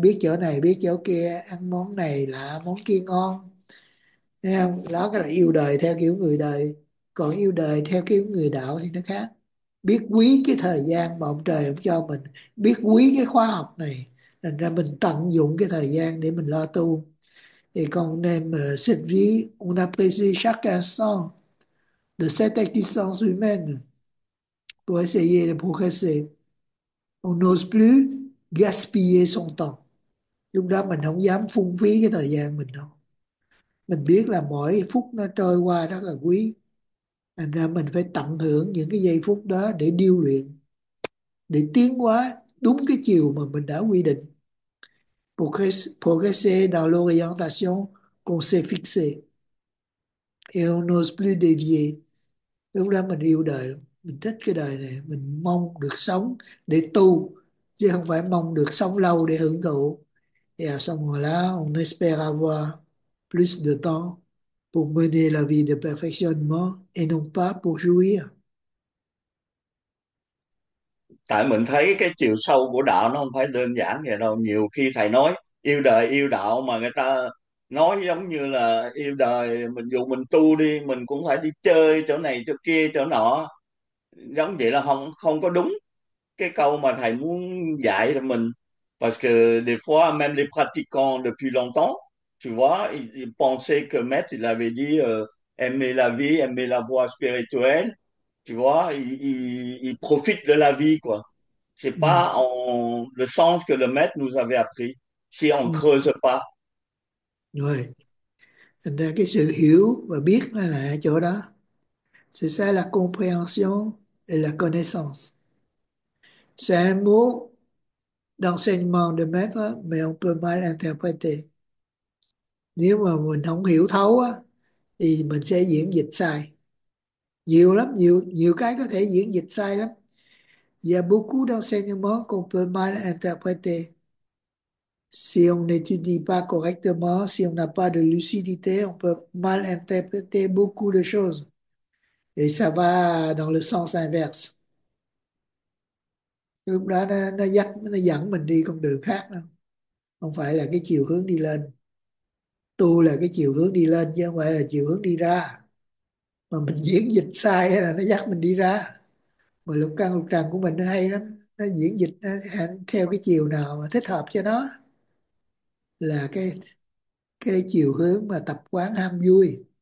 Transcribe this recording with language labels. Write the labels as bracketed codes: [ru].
[vi] Biết chỗ này, biết chỗ kia, ăn món này lạ, món kia ngon. Nghe không? Đó cái là yêu đời theo kiểu người đời. Còn yêu đời theo kiểu người đạo thì nó khác. Biết quý cái thời gian mà ông trời ông cho mình, biết quý cái khóa học này. Thành ra mình tận dụng cái thời gian để mình lo tu. [fr] Et quand on aime cette vie, on apprécie chaque instant de cette existence humaine pour essayer de progresser. On n'ose plus gaspiller son temps. [vi] Lúc đó mình không dám phung phí cái thời gian mình đâu. Mình biết là mỗi phút nó trôi qua rất là quý. Thành ra mình phải tận hưởng những cái giây phút đó để điêu luyện, để tiến hóa đúng cái chiều mà mình đã quy định. [fr] Progresser dans l'orientation qu'on s'est fixée. Et on n'ose plus dévier. [vi] Lúc đó mình yêu đời lắm. Mình thích cái đời này. Mình mong được sống để tu, chứ không phải mong được sống lâu để hưởng thụ. Xong rồi là [fr] on espère avoir plus de temps pour mener la vie de perfectionnement et non pas pour jouir. [vi] Tại mình thấy cái chiều sâu của đạo nó không phải đơn giản vậy đâu. Nhiều khi thầy nói yêu đời yêu đạo mà người ta nói giống như là yêu đời mình, dù mình tu đi mình cũng phải đi chơi chỗ này chỗ kia chỗ nọ, giống vậy là không không có đúng cái câu mà thầy muốn dạy cho mình. [fr] Parce que des fois même les pratiquants depuis longtemps, tu vois, ils pensaient que maître il avait dit aimer la vie, aimer la voie spirituelle. Tu vois, il profite de la vie, quoi. C'est pas en le sens que le maître nous avait appris, si on creuse pas. [vi] Rồi. Thành ra cái sự hiểu và biết là ở chỗ đó. [fr] C'est ça la compréhension et la connaissance. C'est un mot d'enseignement de maître, mais on peut mal interpréter. [vi] Nếu mà mình không hiểu thấu á, thì mình sẽ diễn dịch sai. Nhiều lắm, nhiều nhiều cái có thể diễn dịch sai lắm. [fr] Il y a beaucoup d'enseignements qu'on peut mal interpréter. Si on n'étudie pas correctement, si on n'a pas de lucidité, on peut mal interpréter beaucoup de choses. Et ça va dans le sens inverse. [vi] Lúc đó nó dẫn mình đi con đường khác. Đó. Không phải là cái chiều hướng đi lên. Tu là cái chiều hướng đi lên chứ không phải là chiều hướng đi ra. Mà mình diễn dịch sai hay là nó dẫn mình đi ra. Mà lục căn lục trần của mình nó hay lắm, nó diễn dịch nó theo cái chiều nào mà thích hợp cho nó, là cái chiều hướng mà tập quán ham vui.